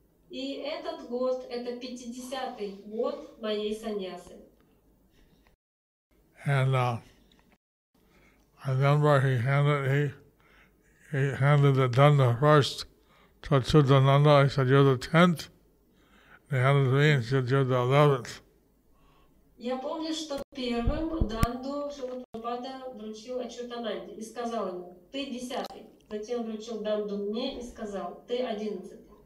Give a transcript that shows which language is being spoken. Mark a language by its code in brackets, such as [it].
[ru] И этот год это 50-й год моей саньясы. [en] And I remember he handed the danda first to Chudananda. He said, "You're the 10th." And he handed me and said, "You're the 11th." [ru] Я помню, что первым данду Шилупада вручил Ачютананде и сказал ему, "Ты 10-й." Затем вручил данду мне и сказал, "Ты 11-й."